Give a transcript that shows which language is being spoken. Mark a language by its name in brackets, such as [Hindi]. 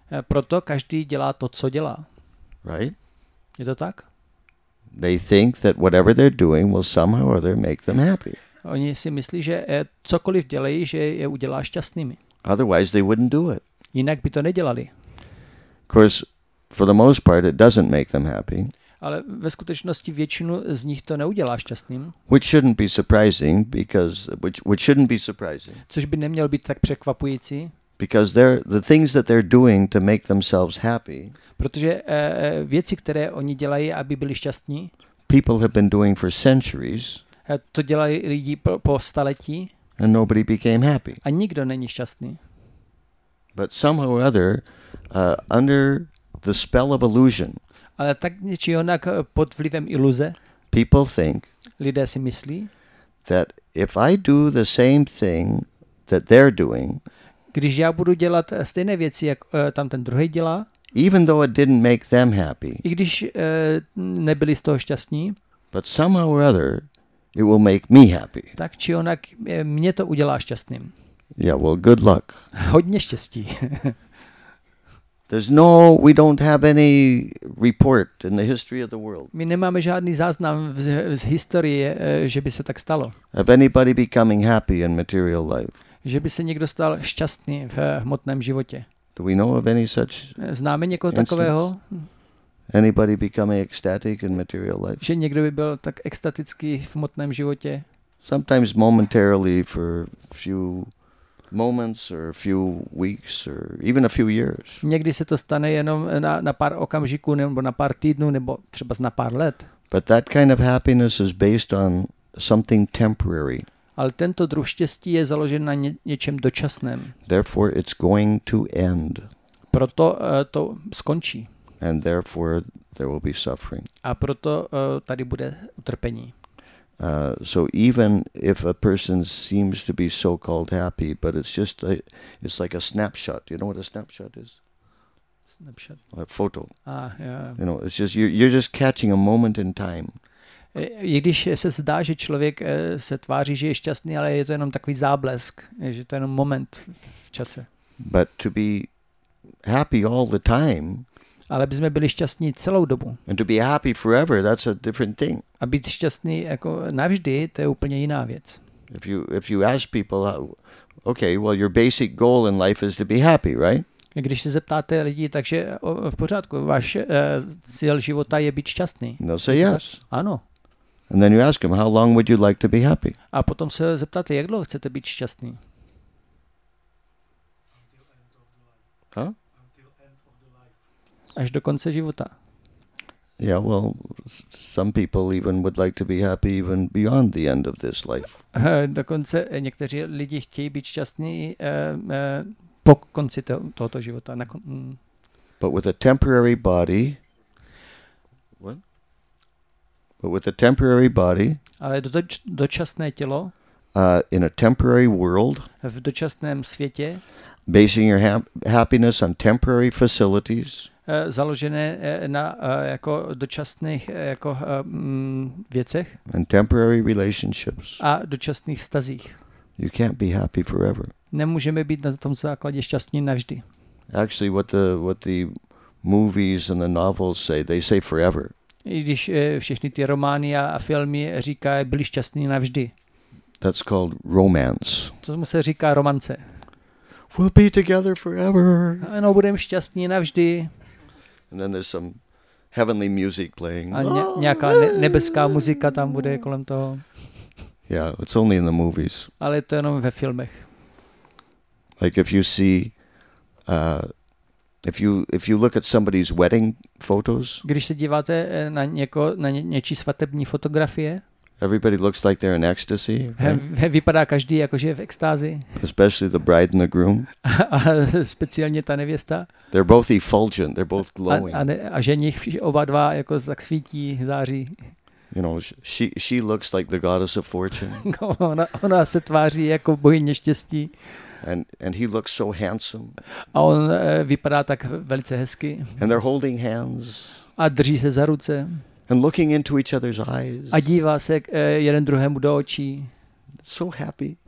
[Czech] Proto každý dělá to, co dělá. [English] Right? [Czech] Je to tak? [English] They think that whatever they're doing will somehow or other make them happy. [Czech] Oni si myslí, že cokoliv dělají, že je udělá šťastnými. [English] Otherwise they wouldn't do it. [Czech] Jinak by to nedělali. [English] Of course, for the most part, it doesn't make them happy. [Czech] Ale ve skutečnosti většinu z nich to neudělá šťastným. [English] Which shouldn't be surprising. [Czech] Což by nemělo být tak překvapující. [English] Because they're the things that they're doing to make themselves happy. [Czech] Protože věci, které oni dělají, aby byli šťastní. [English] People have been doing for centuries. [Czech] To dělají lidi po staletí. [English] And nobody became happy. [Czech] A nikdo není šťastný. [English] But somehow or other, under the spell of illusion. [Czech] Ale tak či onak pod vlivem iluze. [English] People think. [Czech] Lidé si myslí. [English] That if I do the same thing that they're doing. [Czech] Když já budu dělat stejné věci, jak tam ten druhý dělá. [English] Even though it didn't make them happy. [Czech] I když nebyli z toho šťastní. [English] But somehow or other. It will make me happy. [Czech] Tak či onak mě to udělá šťastným. [English] Yeah, well, good luck. [Czech] Hodně štěstí. [English] There's no, we don't have any report in the history of the world. [Czech] My nemáme žádný záznam z historie, že by se tak stalo. [English] Of anybody becoming happy in material life. [Czech] Že by se někdo stal šťastný v hmotném životě. [English] Do we know of any such? [Czech] Známe někoho takového? [English] Anybody becoming ecstatic in material life? [Czech] Že někdo by byl tak extatický v hmotném životě? [English] Sometimes momentarily for a few moments or a few weeks or even a few years. [Czech] Někdy se to stane jenom na pár okamžiků nebo na pár týdnů nebo třeba na pár let. [English] But that kind of happiness is based on something temporary. [Czech] Ale tento druh štěstí je založen na něčem dočasném. [English] Therefore it's going to end. [Czech] Proto to skončí. [English] And therefore there will be suffering. [Czech] A proto tady bude utrpení. [English] So even if a person seems to be so called happy, but it's just it's like a snapshot. You know what a snapshot is? Snapshot. A photo. Ah, yeah. You know, it's just you're just catching a moment in time. [Czech] I když se zdá, že člověk se tváří, že je šťastný, ale je to jenom takový záblesk, že to je jenom moment v čase. [English] But to be happy all the time. [Czech] Ale bychom byli šťastní celou dobu. [English] And to be happy forever, that's a different thing. [Czech] A být šťastný jako navždy, to je úplně jiná věc. [English] If you ask people, okay, well your basic goal in life is to be happy, right? [Czech] Když se zeptáte lidi, takže v pořádku, váš cíl života je být šťastný. [English] No, say yes. [Czech] Ano. [English] And then you ask them, how long would you like to be happy? [Czech] A potom se zeptáte, jak dlouho chcete být šťastný? Huh? Až do konce života. [English] Yeah, well, some people even would like to be happy even beyond the end of this life. [Czech] Dokonce někteří lidi chtějí být šťastní po konci tohoto života. [English] But with a temporary body. What? But with a temporary body. [Czech] Ale dočasné tělo. [English] In a temporary world. [Czech] V dočasném světě. [English] Basing your happiness on temporary facilities. [Czech] Založené na jako dočasných jako věcech. [English] And temporary relationships. [Czech] A dočasných vztazích. [English] You can't be happy forever. [Czech] Nemůžeme být na tom základě šťastní navždy. [English] Actually, what the movies and the novels say, they say forever. [Czech] I když všechny ty romány a filmy říkají, byli šťastní navždy. [English] That's called romance. [Czech] To mu se říká romance. [English] We'll be together forever. [Czech] Ano, budeme šťastní navždy. [English] And then there's some heavenly music playing. [Czech] A nějaká nebeská muzika tam bude kolem toho. [English] Yeah, it's only in the movies. [Czech] Ale je to jenom ve filmech. [English] Like if you see if you look at somebody's wedding photos. [Czech] Když se díváte na někoho, na něčí svatební fotografie. [English] Everybody looks like they're in ecstasy. Right? [Czech] Vypadá každý jako že je v extázi. [English] Especially the bride and the groom. [Czech] A speciálně ta nevěsta. [English] They're both effulgent, they're both glowing. [Czech] A ženich oba dva jako tak svítí, září. [English] You know, she looks like the goddess of fortune. [Czech] ona se tváří jako bohyně štěstí. [English] And he looks so handsome. [Czech] A on vypadá tak velice hezky. [English] And they're holding hands. [Czech] A drží se za ruce. [English] And looking into each other's eyes. [Czech] A dívá se jeden druhému do očí. [English] So happy.